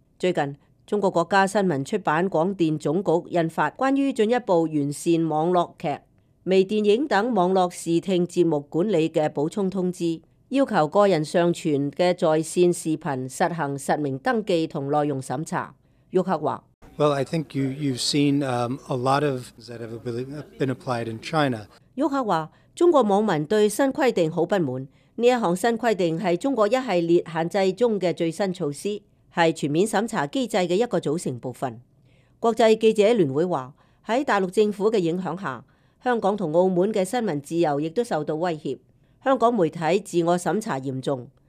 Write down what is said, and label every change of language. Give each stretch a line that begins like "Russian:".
Chinese: 最近，中国国家新闻出版广电总局印发关于进一步完善网络剧、微电影等网络视听节目管理的补充通知，要求个人上传的在线视频实行实名登记和内容审查。沃克说，
English: Well, I think you've seen a lot of that have been applied in China.
Chinese: 沃克说，中国网民对新规定很不满，这一项新规定是中国一系列限制中的最新措施，是全面审查机制的一个组成部分。国际记者联会说，在大陆政府的影响下，香港和澳门的新闻自由也受到威胁，香港媒体自我审查严重，